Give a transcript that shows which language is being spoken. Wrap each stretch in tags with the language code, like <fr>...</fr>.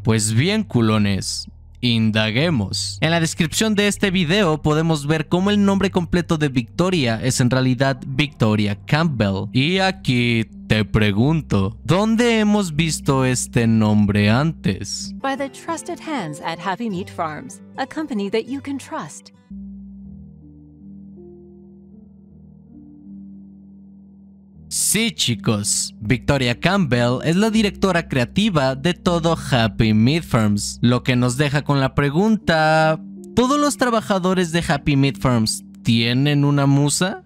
<es>Pues bien, culones, indaguemos. En la descripción de este video podemos ver cómo el nombre completo de Victoria es en realidad Victoria Campbell. Y aquí te pregunto, ¿dónde hemos visto este nombre antes?</es> <en>By the trusted hands at Happy Meat Farms, a company that you can trust.</en> <es>Sí, chicos, Victoria Campbell es la directora creativa de todo Happy Meat Farms, lo que nos deja con la pregunta, ¿todos los trabajadores de Happy Meat Farms tienen una musa?</es>